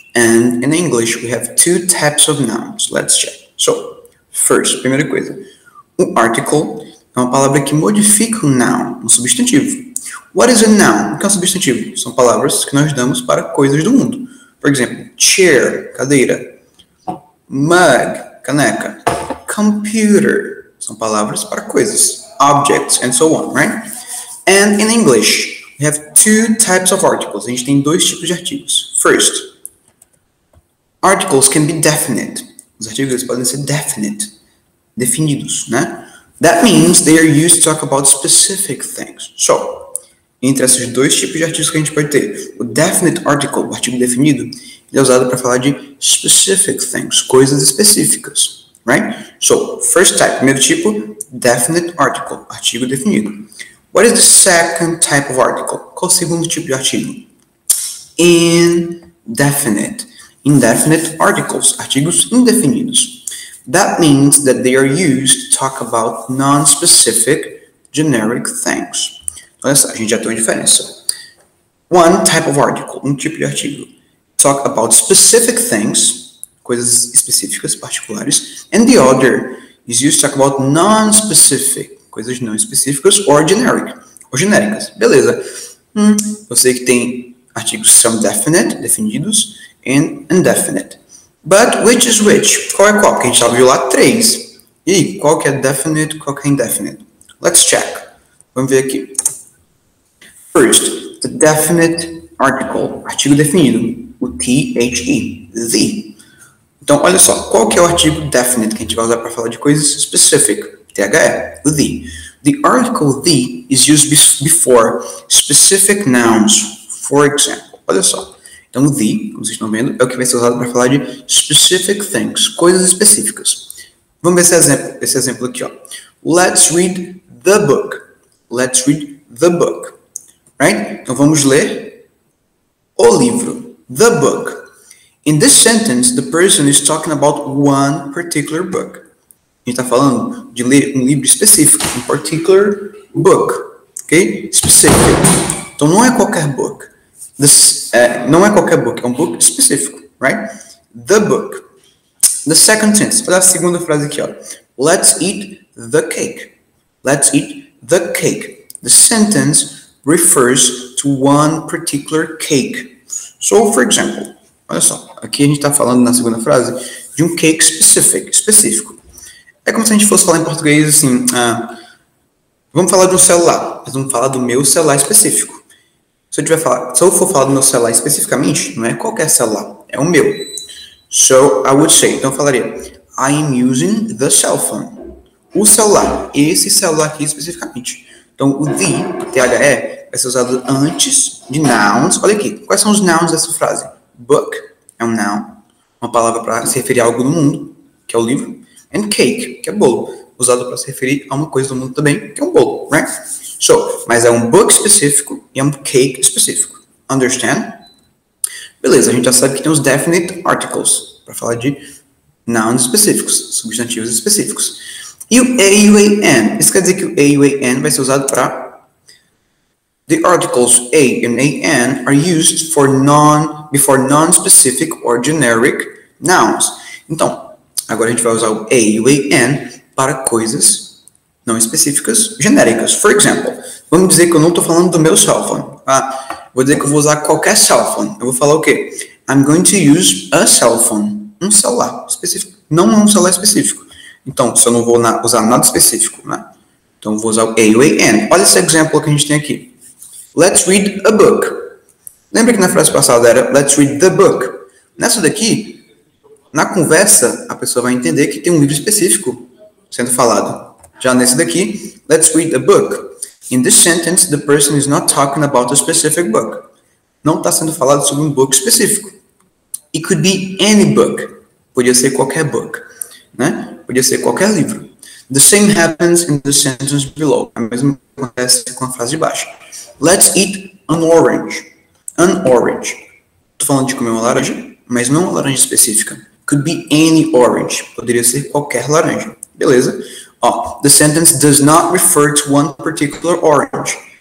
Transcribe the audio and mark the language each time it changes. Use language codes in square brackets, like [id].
[en] And in English, we have two types of nouns. Let's check. So, first, [pt] primeira coisa. O article é uma palavra que modifica um noun, um substantivo. [en] What is a noun? [pt] O que é um substantivo? São palavras que nós damos para coisas do mundo. Por exemplo, chair, cadeira. Mug, caneca. [en] Computer, [pt] são palavras para coisas. [en] Objects, and so on, right? And in English, we have two types of articles. [pt] A gente tem dois tipos de artigos. [en] First, articles can be definite. [pt] Os artigos podem ser definite, definidos, né? [en] That means they are used to talk about specific things. [pt] So, entre esses dois tipos de artigos que a gente pode ter, o definite article, o artigo definido, ele é usado para falar de [en] specific things, [pt] coisas específicas, right? [en] So, first type, [pt] primeiro tipo, [en] definite article, [pt] artigo definido. [en] What is the second type of article? [pt] Qual o segundo tipo de artigo? [en] Indefinite. Indefinite articles, [pt] artigos indefinidos. [en] That means that they are used to talk about non-specific, generic things. [pt] Então, essa, a gente já tem uma diferença. [en] One type of article, [pt] um tipo de artigo. [en] Talk about specific things, [pt] coisas específicas, particulares, [en] and the other is used to talk about non-specific, [pt] coisas não específicas, [en] or generic, [pt] ou genéricas. Beleza. Eu sei que tem artigos some definite, definidos, and indefinite. [en] But which is which? [pt] Qual é qual? Porque a gente já viu lá três. E qual que é definite, qual que é indefinite? [en] Let's check. [pt] Vamos ver aqui. [en] First, the definite article, [pt] artigo definido. O T-H-E, the. Então, olha só, qual que é o artigo definite que a gente vai usar para falar de coisas específicas? T-H-E, o the. [en] The article the is used before specific nouns, for example. [pt] Olha só. Então, o the, como vocês estão vendo, é o que vai ser usado para falar de [en] specific things, [pt] coisas específicas. Vamos ver esse exemplo aqui, ó. [en] Let's read the book. Let's read the book. Right? [pt] Então, vamos ler o livro. [en] The book. In this sentence, the person is talking about one particular book. [pt] A gente está falando de ler um livro específico. Um particular book. Ok? Específico. Então, não é qualquer book. Não é qualquer book. É um book específico. [en] Right? The book. The second sentence. [pt] Olha a segunda frase aqui, ó. [en] Let's eat the cake. Let's eat the cake. The sentence refers to one particular cake. [pt] So, for example, olha só, aqui a gente está falando na segunda frase de um cake específico. É como se a gente fosse falar em português assim. Vamos falar de um celular, mas vamos falar do meu celular específico. Se eu for falar do meu celular especificamente, não é qualquer celular, é o meu. [en] So I would say, [pt] então eu falaria, [en] I am using the cell phone. [pt] O celular, esse celular aqui especificamente. Então o the, vai ser usado antes de nouns. Olha aqui, quais são os nouns dessa frase? Book é um noun, uma palavra para se referir a algo do mundo, que é o livro. And cake, que é bolo, usado para se referir a uma coisa do mundo também, que é um bolo, right? So, mas é um book específico e é um cake específico. [en] Understand? [pt] Beleza, a gente já sabe que tem os [en] definite articles, [pt] para falar de nouns específicos, substantivos específicos. E o AUAN? Isso quer dizer que o AUAN vai ser usado para. [en] The articles A and AN are used for before non-specific or generic nouns. [pt] Então, agora a gente vai usar o AUAN para coisas não específicas, genéricas. For example, vamos dizer que eu não estou falando do meu cellphone. Vou dizer que eu vou usar qualquer cellphone. Eu vou falar o quê? [en] I'm going to use a cellphone. [pt] Um celular específico. Não um celular específico. Então, se eu não vou usar nada específico, né? Então, eu vou usar o AUAN. Olha esse exemplo que a gente tem aqui. [en] Let's read a book. [pt] Lembra que na frase passada era [en] Let's read the book? [pt] Nessa daqui, na conversa, a pessoa vai entender que tem um livro específico sendo falado. Já nesse daqui, [en] Let's read a book. In this sentence, the person is not talking about a specific book. [pt] Não está sendo falado sobre um book específico. [en] It could be any book. [pt] Podia ser qualquer book, né? Podia ser qualquer livro. [en] The same happens in the sentence below. [pt] A mesma acontece com a frase de baixo. [en] Let's eat an orange. An orange. [pt] Estou falando de comer uma laranja, mas não uma laranja específica. [en] Could be any orange. [pt] Poderia ser qualquer laranja. Beleza? [en] Ó, the sentence does not refer to one particular orange.